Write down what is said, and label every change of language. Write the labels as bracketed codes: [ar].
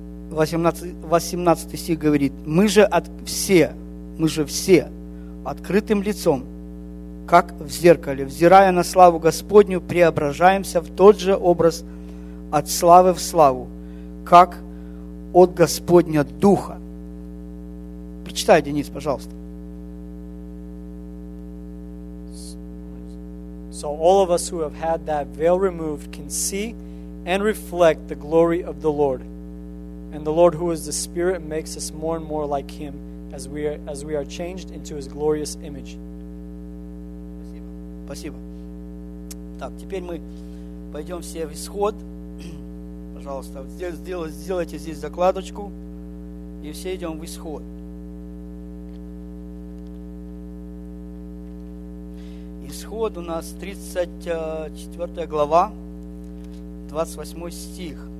[ru] 18 стих говорит: мы же все открытым лицом, как в зеркале, взирая на славу Господню, преображаемся в тот же образ от славы в славу, как от Господня Духа. Прочитай, Денис, пожалуйста. [en] So all of us who have had that veil removed can see and reflect the glory of the Lord. And the Lord, who is the Spirit, makes us more and more like Him as we are changed into His glorious image. [ru] Спасибо. Так, теперь мы пойдем все в исход. Пожалуйста, сделайте здесь закладочку, и все идем в исход. Исход у нас 34 глава, 28 стих.